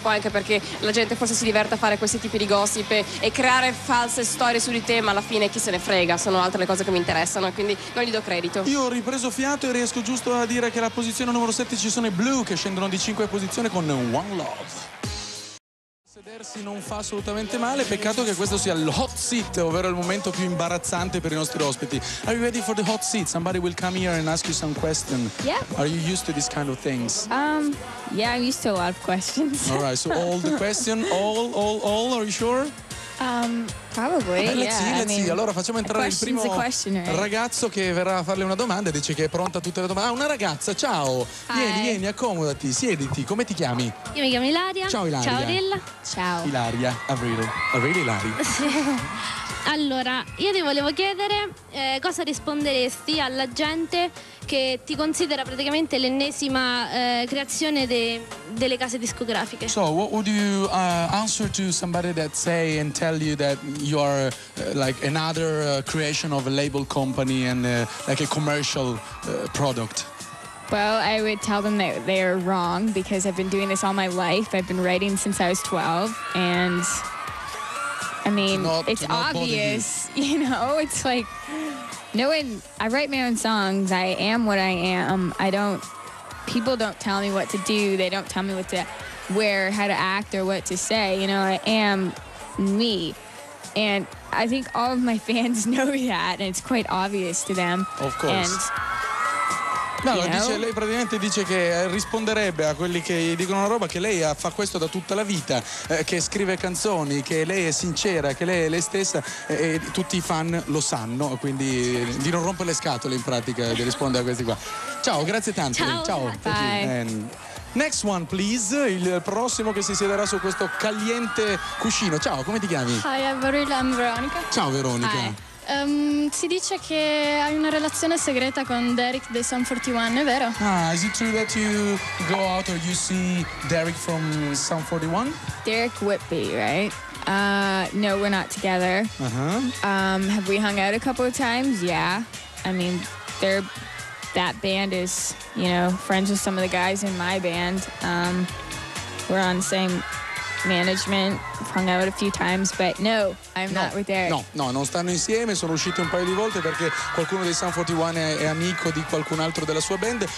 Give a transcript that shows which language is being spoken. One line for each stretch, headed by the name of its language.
Italian: Poi anche perché la gente forse si diverte a fare questi tipi di gossip e creare false storie su di te, ma alla fine chi se ne frega, sono altre le cose che mi interessano, quindi non gli do credito. Io ho ripreso fiato e riesco giusto a dire che alla posizione numero 7 ci sono i Blue che scendono di 5 posizione con One Love. Sedersi non fa assolutamente male, peccato che questo sia l'hot seat, ovvero il momento più imbarazzante per i nostri ospiti.
English: Are you ready for the hot seat? Somebody will come here and ask you some questions. Yeah. Are you used to this kind of things? Yeah, I'm used to a lot of questions. All right, so all the questions, all, are you sure? Probably, vabbè, let's yeah. See, let's I mean, see.
Italian: Allora facciamo entrare il primo ragazzo che verrà a farle una domanda e dice che è pronta a tutte le domande. Ah, una ragazza, ciao.
English: Hi.
Italian: Vieni, accomodati, siediti. Come ti chiami? Io mi chiamo Ilaria. Ciao Ilaria. Ciao Rilla. Ciao. Ilaria, Avril. Avril Ilaria. Allora, io ti volevo chiedere cosa risponderesti alla gente che ti considera praticamente l'ennesima creazione delle case discografiche.
English: So, what would you answer to somebody that say and tell you that you are like another creation of a label company and like a commercial product? Well, I would tell them that they are wrong because I've been doing this all my life. I've been writing since I was 12 and I mean, it's obvious, you know, it's like, no one, I write my own songs, I am what I am, people don't tell me what to do, they don't tell me what to wear, how to act, or what to say, you know, I am me, and I think all of my fans know that, and it's quite obvious to them. Of course. And, no, you know?
Italian: Dice, lei praticamente dice che risponderebbe a quelli che dicono una roba che lei fa questo da tutta la vita, che scrive canzoni, che lei è sincera, che lei è lei stessa e tutti i fan lo sanno, quindi di non rompere le scatole in pratica di rispondere a questi qua. Ciao, grazie tante. Ciao.
English: Bye. Next one, please.
Italian: Il prossimo che si siederà su questo caliente cuscino. Ciao, come ti chiami?
English: Hi, I'm Veronica.
Italian: Ciao Veronica. Hi. Si dice che hai una relazione segreta con Derek the Sum 41, è vero?
English: Ah, is it true that you go out or you see Derek from Sum 41? Derek Whitby, right? No, we're not together. Uh-huh. Have we hung out a couple of times? Yeah. I mean, that band is, you know, friends with some of the guys in my band. We're on the same management, hung out a few times, but no, I'm not with Derek.
Italian: No, non stanno insieme, sono uscite un paio di volte perché qualcuno dei Sum 41 è amico di qualcun altro della sua band.